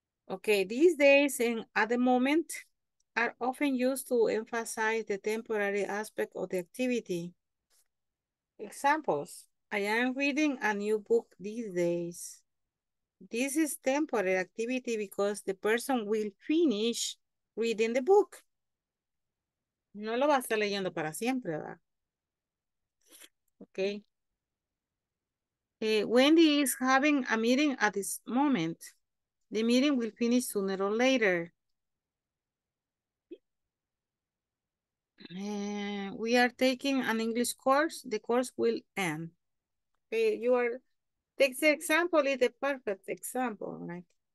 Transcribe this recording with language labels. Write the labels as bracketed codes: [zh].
[en] Okay, these days and at the moment are often used to emphasize the temporary aspect of the activity. Examples, I am reading a new book these days. This is temporary activity because the person will finish reading the book. [es] No lo va a estar leyendo para siempre, ¿verdad? Okay. [en] Wendy is having a meeting at this moment. The meeting will finish sooner or later. We are taking an English course. The course will end. Okay, you are, take the example, is the perfect example, right?